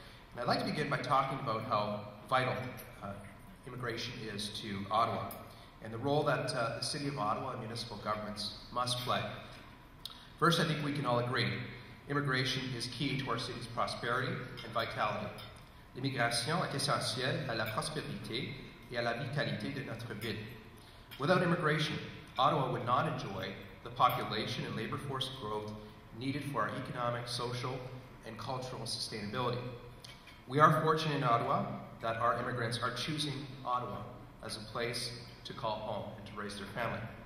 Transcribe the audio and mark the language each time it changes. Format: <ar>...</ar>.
<en>And I'd like to begin by talking about how vital immigration is to Ottawa, and the role that the City of Ottawa and municipal governments must play. First, I think we can all agree, immigration is key to our city's prosperity and vitality.</en> <fr>L'immigration est essentielle à la prospérité et à la vitalité de notre ville.</fr> <en>Without immigration, Ottawa would not enjoy the population and labor force growth needed for our economic, social, and cultural sustainability. We are fortunate in Ottawa that our immigrants are choosing Ottawa as a place to call home and to raise their family.</en>